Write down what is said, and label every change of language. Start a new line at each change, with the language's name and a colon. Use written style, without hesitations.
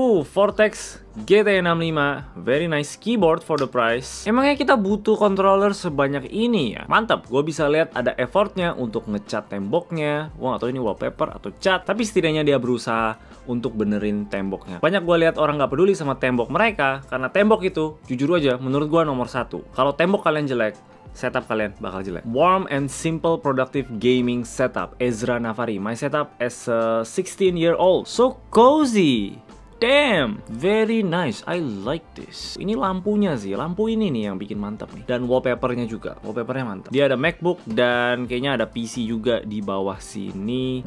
English: Vortex GT65, very nice keyboard for the price.
Indonesian: Emangnya kita butuh controller sebanyak ini ya? Mantap, gue bisa lihat ada effortnya untuk ngecat temboknya. Gue gak tau ini wallpaper atau cat, tapi setidaknya dia berusaha untuk benerin temboknya. Banyak gue lihat orang gak peduli sama tembok mereka, karena tembok itu, jujur aja, menurut gue nomor satu. Kalau tembok kalian jelek, setup kalian bakal jelek.
English: Warm and simple productive gaming setup,
Indonesian: Ezra Navari.
English: My setup as a 16-year-old, so cozy. Damn, very nice, I like this.
Indonesian: Ini lampunya sih, lampu ini nih yang bikin mantap nih. Dan wallpapernya juga, wallpapernya mantap. Dia ada MacBook dan kayaknya ada PC juga di bawah sini.